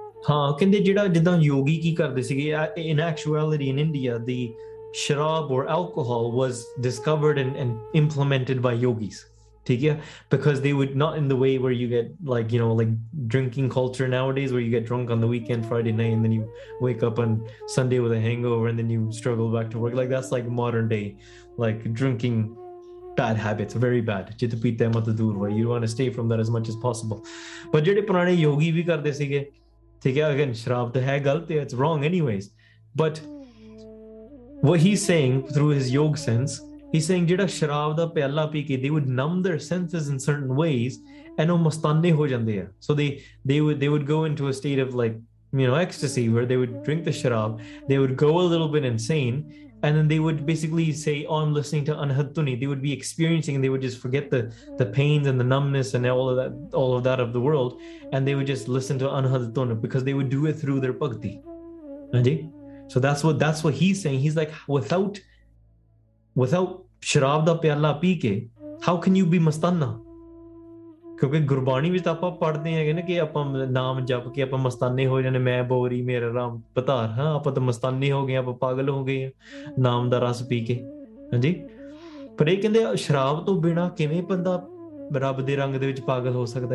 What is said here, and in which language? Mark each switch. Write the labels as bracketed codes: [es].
[pa] ਹਾਂ, ਕਹਿੰਦੇ ਜਿਹੜਾ ਜਿੱਦਾਂ ਯੋਗੀ ਕੀ ਕਰਦੇ ਸੀਗੇ, [en] In actuality in India ਦੀ ਸ਼ਰਾਬ ਔਰ alcohol was discovered and implemented by yogis, ਠੀਕ ਹੈ, because they would not in the way where you get like you know like drinking culture nowadays, where you get drunk on the weekend, Friday night, and then you wake up on Sunday with a hangover, and then you struggle back to work, like that's like modern day like drinking bad habits, very bad. [pa] Chit pita mat dur hoy, [en] you want to stay from that as much as possible. [pa] But jede purane yogi vi karde sige, theek hai, [en] again [pa] sharab to hai galat, [en] it's wrong anyways, but what he's saying through his yog sense, he's saying [pa] jehda sharab da pyala pi ke, [en] they would numb their senses in certain ways and [pa] oh mastane ho jande hai, [en] so they would go into a state of like, you know, ecstasy where they would drink the sharab, they would go a little bit insane. And then they would basically say, oh, I'm listening to Anhatuni. They would be experiencing, and they would just forget the pains and the numbness and all of that of the world. And they would just listen to Anhatuni because they would do it through their bhakti. So that's what he's saying. He's like, without [pa] sharab da pyala peeke, [en] how can you be mastanna? [pa] ਕਿਉਂਕਿ ਗੁਰਬਾਣੀ ਵਿੱਚ ਆਪਾਂ ਪੜ੍ਹਦੇ ਹੈਗੇ ਨਾ ਕਿ ਆਪਾਂ ਨਾਮ ਜਪ ਕੇ ਆਪਾਂ ਮਸਤਾਨੇ ਹੋ ਜਾਂਦੇ, ਮੈਂ ਬੋਰੀ ਮੇਰਾ ਰਾਮ ਪਤਾਰ, ਹਾਂ ਆਪਾਂ ਤਾਂ ਮਸਤਾਨੇ ਹੋ ਗਏ, ਆਪਾਂ ਪਾਗਲ ਹੋ ਗਏ ਹਾਂ ਨਾਮ ਦਾ ਰਸ ਪੀ ਕੇ। ਹਾਂਜੀ, ਪਰ ਇਹ ਕਹਿੰਦੇ ਸ਼ਰਾਬ ਤੋਂ ਬਿਨਾਂ ਕਿਵੇਂ ਬੰਦਾ ਰੱਬ ਦੇ ਰੰਗ ਦੇ ਵਿੱਚ ਪਾਗਲ ਹੋ ਸਕਦਾ?